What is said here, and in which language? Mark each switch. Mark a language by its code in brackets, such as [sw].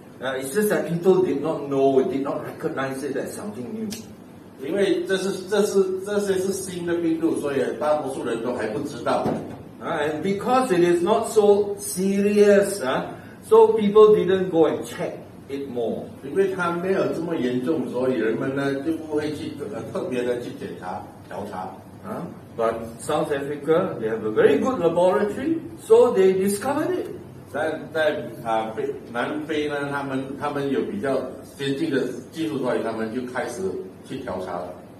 [en] It's just that people did not know, did not recognize it as something new. [zh] 因为这些是新的病毒，所以大多数人都还不知道。 [en] And because it is not so serious, so people didn't go and check it more. [zh] 因为它没有这么严重，所以人们呢就不会去特别的去检查调查。 [en] But South Africa, they have a very good laboratory, so they discovered it. [zh] 在南非呢，他们有比较先进的技术，所以他们就开始去调查了。